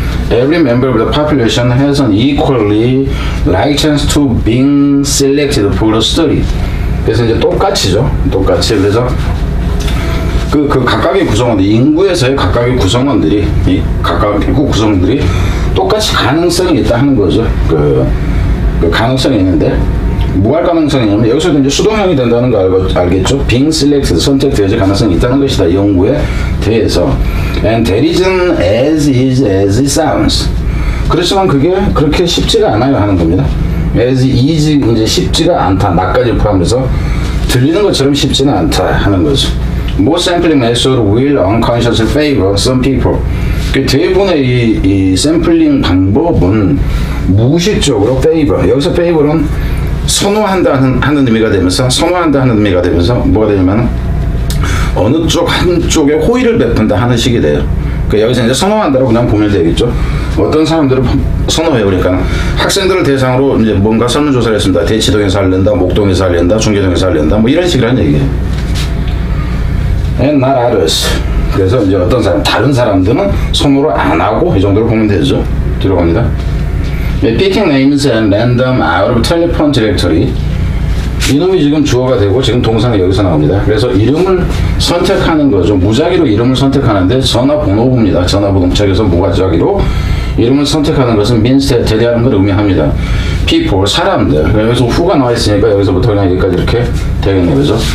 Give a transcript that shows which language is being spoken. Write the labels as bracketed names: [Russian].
[English] Every member of the population has an equally like chance to being selected for the study. [Korean] 그래서 이제 똑같이죠. 그래서 그 각각의 구성원들, 인구에서의 각각의 구성원들이 똑같이 가능성이 있다 하는 거죠. 그 가능성이 있는데, 무할 가능성이냐면 여기서도 이제 수동형이 된다는 거 알겠죠? [English] Being selected, [Korean] 선택되어질 가능성이 있다는 것이다. 연구에 대해서. [English] And that isn't as is as it sounds. [Korean] 그렇지만 그게 그렇게 쉽지가 않아요 하는 겁니다. [English] As is [Korean] 이제 쉽지가 않다. 나까지 포함해서 들리는 것처럼 쉽지는 않다 하는 거죠. [English] Most sampling methods will unconsciously favor some people. [Korean] 그 대부분의 이 sampling 방법은 무의식적으로 favor. 여기서 favor은 선호한다 하는 의미가 되면서 뭐가 되냐면 어느 쪽 한쪽에 호의를 베푼다 하는 식이 돼요. 그 여기서 이제 선호한다라고 그냥 보면 되겠죠. 어떤 사람들을 선호해요. 그러니까 학생들을 대상으로 이제 뭔가 설문조사를 했습니다. 대치동에서 하려는다, 목동에서 하려는다, 중계동에서 하려는다, 뭐 이런 식이라는 얘기예요. [English] And not others. [Korean] 그래서 이제 어떤 사람, 다른 사람들은 선호를 안 하고, 이 정도로 보면 되죠. 뒤로 갑니다. [English] Picking names and random out of telephone directory. [Korean] 이놈이 지금 주어가 되고 지금 동사가 여기서 나옵니다. 그래서 이름을 선택하는 거죠. 무작위로 이름을 선택하는데 전화번호부입니다. 전화번호 책에서 무작위로 이름을 선택하는 것은 [English] means that [Korean] 대대하는 걸 의미합니다. people, 사람들. 여기서 후가 나와 있으니까 여기서부터 그냥 여기까지 이렇게 되겠네요. 그죠?